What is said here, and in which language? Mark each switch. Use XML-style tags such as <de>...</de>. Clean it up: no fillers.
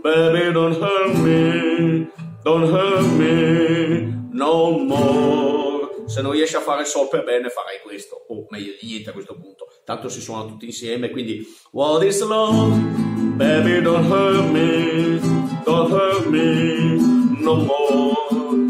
<en>Baby, don't hurt me, no more.</en> <it>Se non riesci a fare sol per bene, farai questo. O meglio di niente a questo punto. Tanto si suona tutti insieme, quindi</it> <en>What is love? Baby, don't hurt me, no more.</en>